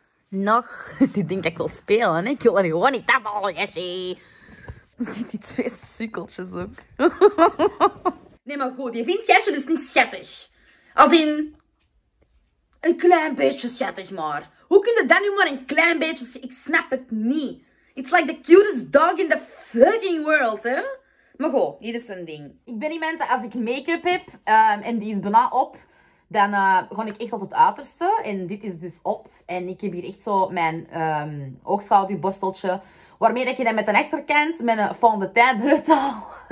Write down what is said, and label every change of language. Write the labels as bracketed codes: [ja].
[nl] Nog. Die denk ik wil spelen, hè? Ik wil er gewoon niet afvallen, Jesse. Ziet die twee sukkeltjes ook. Nee, maar goed, je vindt Jesse dus niet schattig. Als in... een klein beetje schattig, maar. Hoe kun je dat nu maar een klein beetje... Ik snap het niet. [en] It's like the cutest dog in the fucking world, hè? [nl] Maar goh, hier is een ding. Ik ben iemand dat als ik make-up heb, en die is bijna op, dan ga ik echt tot het uiterste. En dit is dus op. En ik heb hier echt zo mijn oogschaduwborsteltje, waarmee dat je dan met een achterkant mijn fondetijn eruit haal.